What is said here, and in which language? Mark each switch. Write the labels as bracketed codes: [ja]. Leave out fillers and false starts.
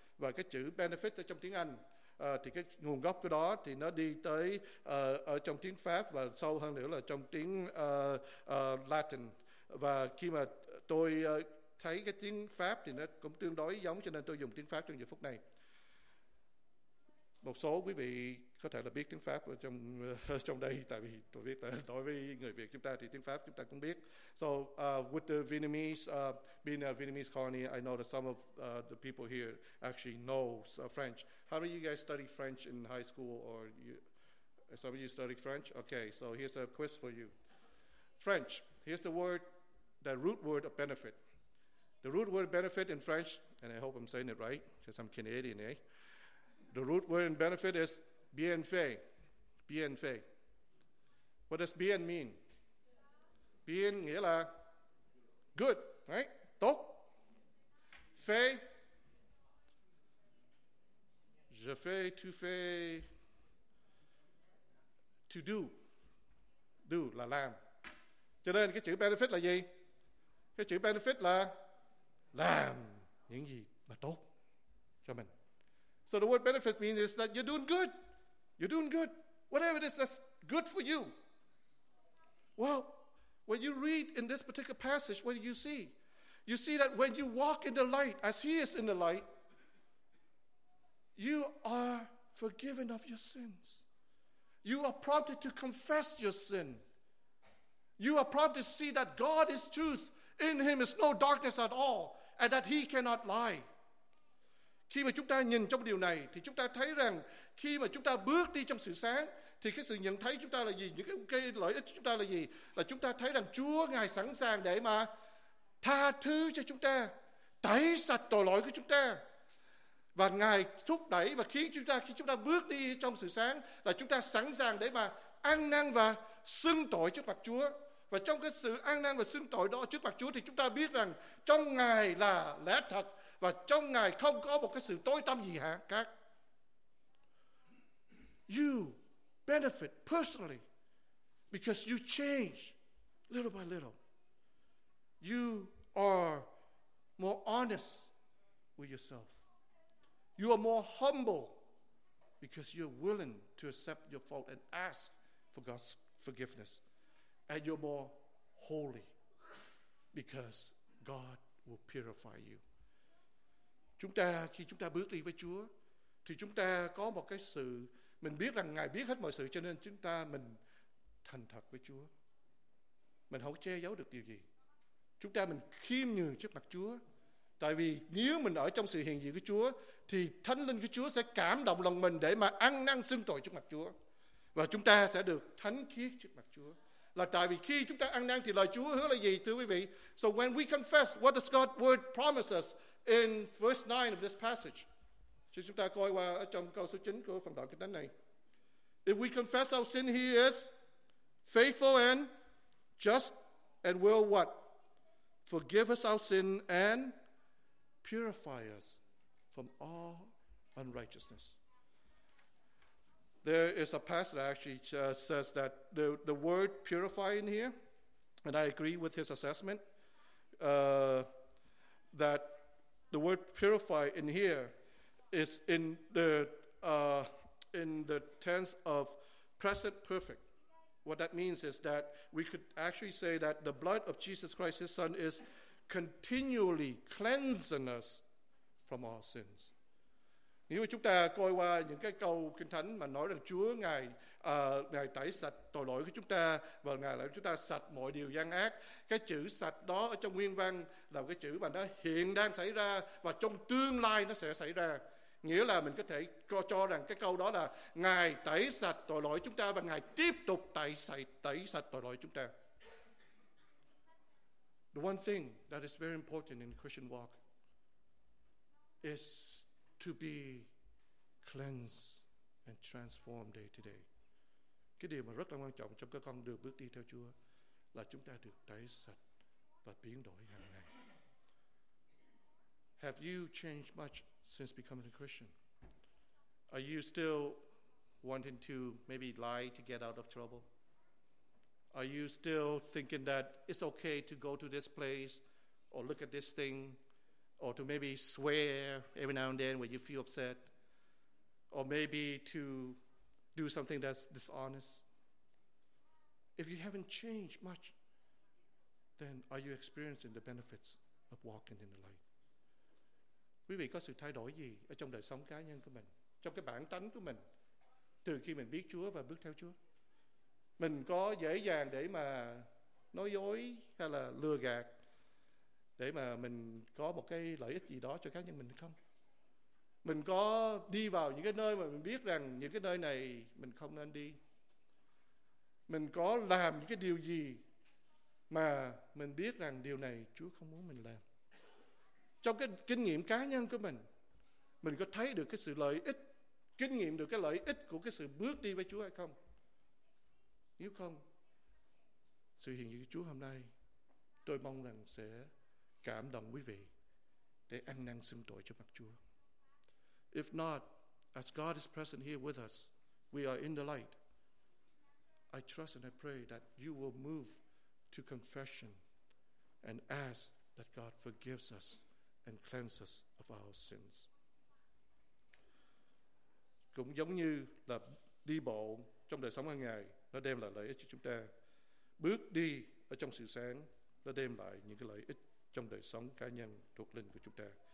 [vi] Và cái chữ benefit ở trong tiếng Anh thì cái nguồn gốc của đó thì nó đi tới ở trong tiếng Pháp và sâu hơn nữa là trong tiếng Latin. Và khi mà tôi thấy cái tiếng Pháp thì nó cũng tương đối giống, cho nên tôi dùng tiếng Pháp trong giờ phút này. Một số quý vị có thể là biết tiếng Pháp ở trong đây, tại vì tôi biết là đối với người Việt chúng ta thì tiếng Pháp chúng ta cũng biết. [en] So with the Vietnamese being a Vietnamese colony, I know that some of the people here actually know French. How do you guys study French in high school, or some of you study French? Okay, so here's a quiz for you. French, here's the word, the root word of benefit. The root word benefit in French, and I hope I'm saying it right, because I'm Canadian, eh? The root word in benefit is bienfait. Bienfait. What does bien mean? [vi] Bien nghĩa là [en] good, right? [vi] Tốt. Fait. [fr] Je fais. [en] To do. Do [vi] là làm. Cho nên cái chữ benefit là gì? Cái chữ benefit là làm những gì mà tốt cho mình. [en] So the word benefit means is that you're doing good. You're doing good. Whatever it is that's good for you. Well, when you read in this particular passage, what do you see? You see that when you walk in the light, as he is in the light, you are forgiven of your sins. You are prompted to confess your sin. You are prompted to see that God is truth. In him is no darkness at all. And that he cannot lie. [vi] Khi mà chúng ta nhìn trong điều này thì chúng ta thấy rằng khi mà chúng ta bước đi trong sự sáng thì cái sự nhận thấy chúng ta là gì? Những cái lợi ích chúng ta là gì? Là chúng ta thấy rằng Chúa Ngài sẵn sàng để mà tha thứ cho chúng ta, tẩy sạch tội lỗi của chúng ta. Và Ngài thúc đẩy và khiến chúng ta, khi chúng ta bước đi trong sự sáng, là chúng ta sẵn sàng để mà ăn năn và xưng tội trước mặt Chúa. Và trong cái sự ăn năn và xưng tội đó trước mặt Chúa thì chúng ta biết rằng trong Ngài là lẽ thật. Và trong Ngài không có một cái sự tối tăm gì hả các. [en] You benefit personally because you change little by little. You are more honest with yourself. You are more humble because you're willing to accept your fault and ask for God's forgiveness. And you're more holy because God will purify you. [vi] Chúng ta, khi chúng ta bước đi với Chúa, thì chúng ta có một cái sự, mình biết rằng Ngài biết hết mọi sự, cho nên chúng ta, mình thành thật với Chúa. Mình không che giấu được điều gì. Chúng ta, mình khiêm nhường trước mặt Chúa. Tại vì nếu mình ở trong sự hiện diện của Chúa, thì Thánh Linh của Chúa sẽ cảm động lòng mình để mà ăn năn xưng tội trước mặt Chúa. Và chúng ta sẽ được thánh khiết trước mặt Chúa. Là tại vì khi chúng ta ăn năn thì lời Chúa hứa là gì, thưa quý vị? [en] So when we confess, what does God's word promise us? In verse 9 of this passage, [vi] chúng ta coi qua ở trong câu số 9 của phần đoạn kinh thánh này. [en] If we confess our sin, he is faithful and just and will what? Forgive us our sin and purify us from all unrighteousness. There is a passage that actually says that the word purify in here, and I agree with his assessment, that the word purify in here is in the tense of present perfect. What that means is that we could actually say that the blood of Jesus Christ, his son, is continually cleansing us from our sins. [vi] Nếu chúng ta coi qua những cái câu kinh thánh mà nói rằng Chúa Ngài Ngài tẩy sạch tội lỗi của chúng ta và Ngài làm chúng ta sạch mọi điều gian ác, cái chữ sạch đó ở trong nguyên văn là cái chữ mà nó hiện đang xảy ra và trong tương lai nó sẽ xảy ra. Nghĩa là mình có thể cho rằng cái câu đó là Ngài tẩy sạch tội lỗi chúng ta và Ngài tiếp tục tẩy sạch tội lỗi chúng ta. [en] The one thing that is very important in the Christian walk is to be cleansed and transformed day to day. [vi] Cái điều mà rất là quan trọng trong cái con đường bước đi theo Chúa là chúng ta được tẩy sạch và biến đổi hàng ngày. [en] Have you changed much since becoming a Christian? Are you still wanting to maybe lie to get out of trouble? Are you still thinking that it's okay to go to this place or look at this thing? Or to maybe swear every now and then when you feel upset. Or maybe to do something that's dishonest. If you haven't changed much, then are you experiencing the benefits of walking in the light? [vi] Quý vị có sự thay đổi gì ở trong đời sống cá nhân của mình, trong cái bản tánh của mình, Từ khi mình biết Chúa và bước theo Chúa, mình có dễ dàng để mà nói dối hay là lừa gạt để mà mình có một cái lợi ích gì đó cho cá nhân mình không? Mình có đi vào những cái nơi mà mình biết rằng những cái nơi này mình không nên đi? Mình có làm những cái điều gì mà mình biết rằng điều này Chúa không muốn mình làm? Trong cái kinh nghiệm cá nhân của mình có thấy được cái sự lợi ích, kinh nghiệm được cái lợi ích của cái sự bước đi với Chúa hay không? Nếu không, sự hiện diện của Chúa hôm nay tôi mong rằng sẽ cảm động quý vị để ăn năn xưng tội cho mặt Chúa. [en] If not, as God is present here with us, we are in the light. I trust and I pray that you will move to confession and ask that God forgives us and cleanses us of our sins. [vi] Cũng giống như là đi bộ trong đời sống hàng ngày, nó đem lại lợi ích cho chúng ta. Bước đi ở trong sự sáng, nó đem lại những cái lợi ích trong đời sống cá nhân thuộc linh của chúng ta.